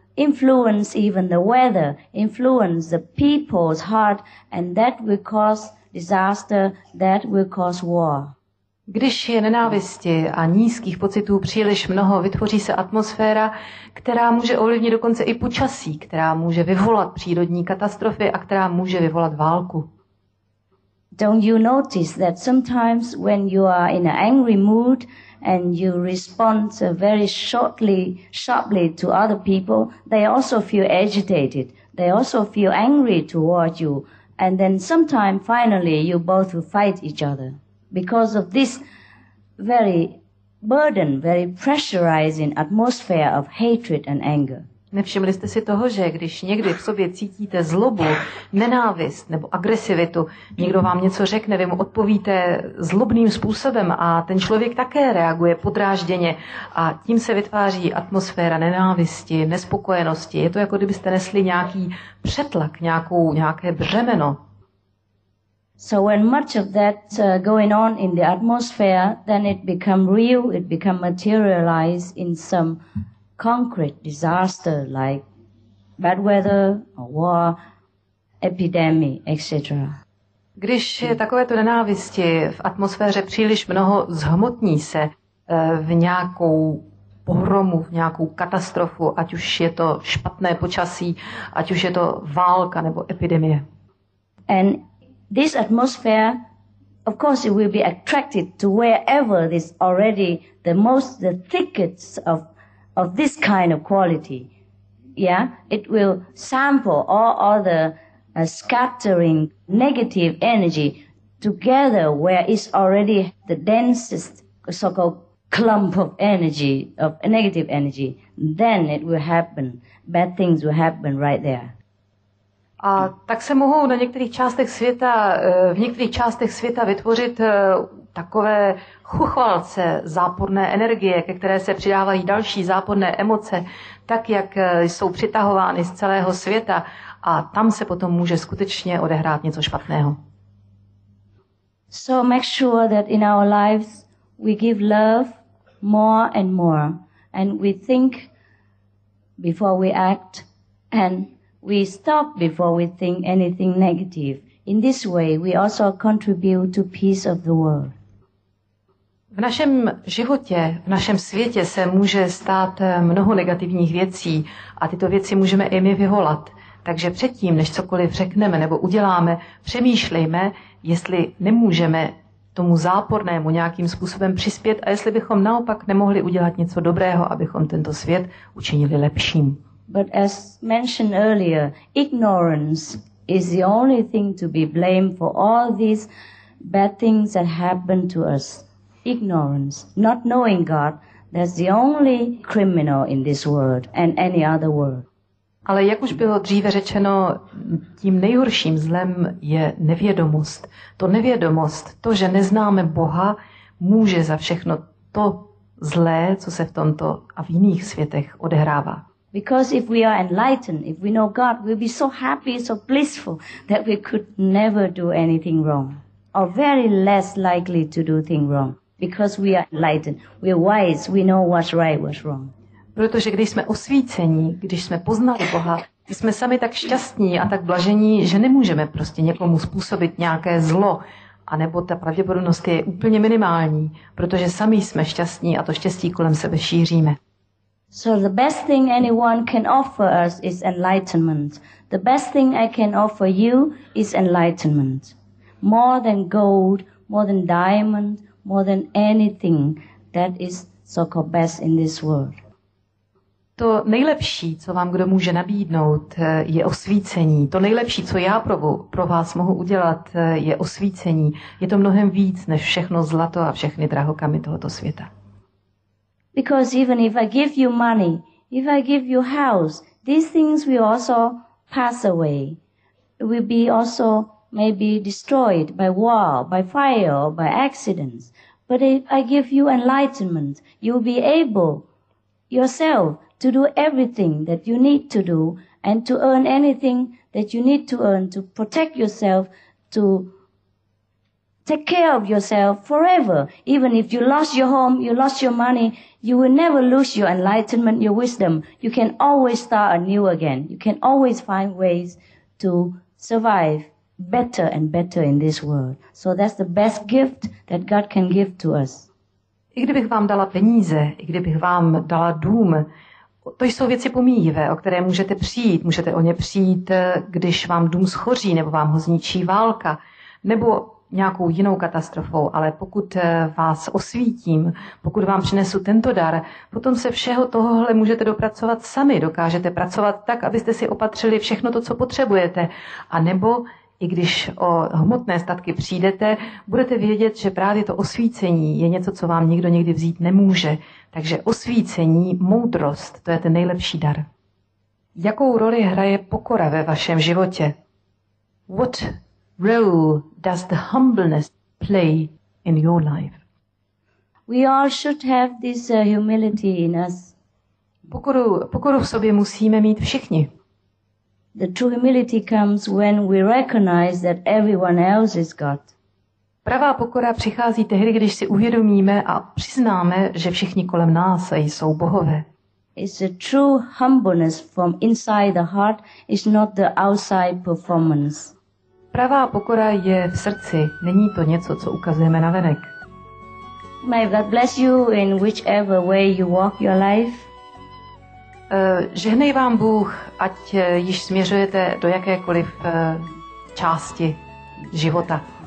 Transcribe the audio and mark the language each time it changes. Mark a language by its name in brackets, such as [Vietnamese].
[English] influence even the weather, influence the people's heart, and that will cause disaster, that will cause war. [Czech] Když je nenávisti a nízkých pocitů příliš mnoho, vytvoří se atmosféra, která může ovlivnit dokonce i počasí, která může vyvolat přírodní katastrofy a která může vyvolat válku. [English] Don't you notice that sometimes when you are in an angry mood and you respond very shortly, sharply to other people, they also feel agitated. They also feel angry toward you. And then sometime finally you both will fight each other. Because of this very burden, very pressurizing atmosphere of hatred and anger. [Czech] Nevšimli jste si toho, že když někdy v sobě cítíte zlobu, nenávist nebo agresivitu, někdo vám něco řekne, vy mu odpovíte zlobným způsobem a ten člověk také reaguje podrážděně a tím se vytváří atmosféra nenávisti, nespokojenosti. Je to jako kdybyste nesli nějaký přetlak, nějaké břemeno. [English] So when much of that going on in the atmosphere, then it become real, it become materialized in some concrete disaster like bad weather, or war, epidemic, etc. [Czech] Když je takovéto nenávisti v atmosféře příliš mnoho, zhmotní se v nějakou pohromu, v nějakou katastrofu, ať už je to špatné počasí, ať už je to válka nebo epidemie. [English] And this atmosphere, of course, it will be attracted to wherever this already the thickest of this kind of quality. Yeah, it will sample all other scattering negative energy together where it's already the densest so-called clump of energy, of negative energy. Then it will happen. Bad things will happen right there. [Czech] A tak se mohou na některých částech světa, v některých částech světa vytvořit takové chuchvalce záporné energie, ke které se přidávají další záporné emoce, tak jak jsou přitahovány z celého světa a tam se potom může skutečně odehrát něco špatného. [English] So make sure that in our lives we give love more and more and we think before we act and we stop before we think anything negative. In this way, we also contribute to peace of the world. [Czech] V našem životě, v našem světě se může stát mnoho negativních věcí a tyto věci můžeme i my vyvolat. Takže předtím, než cokoliv řekneme nebo uděláme, přemýšlejme, jestli nemůžeme tomu zápornému nějakým způsobem přispět a jestli bychom naopak nemohli udělat něco dobrého, abychom tento svět učinili lepším. [English] But as mentioned earlier, ignorance is the only thing to be blamed for all these bad things that happen to us. Ignorance, not knowing God, that's the only criminal in this world and any other world. [Czech] Ale jak už bylo dříve řečeno, tím nejhorším zlem je nevědomost. To nevědomost, to, že neznáme Boha, může za všechno to zlé, co se v tomto a v jiných světech odehrává. [English] Because if we are enlightened, if we know God, we'll be so happy, so blissful that we could never do anything wrong, or very less likely to do things wrong. Because we are enlightened, we are wise, we know what's right, what's wrong. [Czech] Protože když jsme osvíceni, když jsme poznali Boha, jsme sami tak šťastní a tak blažení, že nemůžeme prostě někomu způsobit nějaké zlo, anebo ta pravděpodobnost je úplně minimální, protože sami jsme šťastní a to štěstí kolem sebe šíříme. [English] So the best thing anyone can offer us is enlightenment. The best thing I can offer you is enlightenment. More than gold, more than diamond, more than anything that is so-called best in this world. [Czech] To nejlepší, co vám kdo může nabídnout, je osvícení. To nejlepší, co já pro vás mohu udělat, je osvícení. Je to mnohem víc než všechno zlato a všechny drahokamy tohoto světa. [English] Because even if I give you money, if I give you house, these things will also pass away. It will be also maybe destroyed by war, by fire, or by accidents. But if I give you enlightenment, you'll be able yourself to do everything that you need to do and to earn anything that you need to earn to protect yourself, to take care of yourself forever. Even if you lost your home, you lost your money, you will never lose your enlightenment, your wisdom. You can always start anew again. You can always find ways to survive better and better in this world. So that's the best gift that God can give to us. [Czech] I kdybych vám dala peníze, i kdybych vám dala dům, to jsou věci pomíjivé, o které můžete přijít. Můžete o ně přijít, když vám dům schoří, nebo vám ho zničí válka, nebo nějakou jinou katastrofou, ale pokud vás osvítím, pokud vám přinesu tento dar, potom se všeho tohohle můžete dopracovat sami. Dokážete pracovat tak, abyste si opatřili všechno to, co potřebujete. A nebo i když o hmotné statky přijdete, budete vědět, že právě to osvícení je něco, co vám nikdo nikdy vzít nemůže. Takže osvícení, moudrost, to je ten nejlepší dar. Jakou roli hraje pokora ve vašem životě? [English] What role does the humbleness play in your life? We all should have this humility in us. [Czech] Pokoru v sobě musíme mít všichni. [English] The true humility comes when we recognize that everyone else is God. [Czech] Pravá pokora přichází tehdy, když si uvědomíme a přiznáme, že všichni kolem nás jsou bohové. [English] It's a true humbleness from inside the heart, it's not the outside performance. [Czech] Pravá pokora je v srdci, není to něco, co ukazujeme na venek. [English] May God bless you in whichever way you walk your life. [Czech] Žehnej vám Bůh, ať již směřujete do jakékoliv části života.